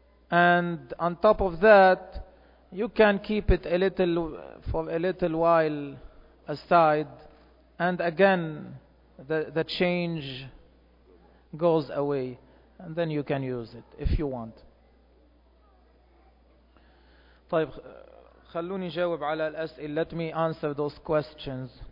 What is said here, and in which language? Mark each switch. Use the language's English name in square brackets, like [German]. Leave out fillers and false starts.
[English] And on top of that, you can keep it for a little while aside, and again the change goes away, and then you can use it if you want. [Arabic] طيب خلوني جاوب على الأسئلة. [English] Let me answer those questions.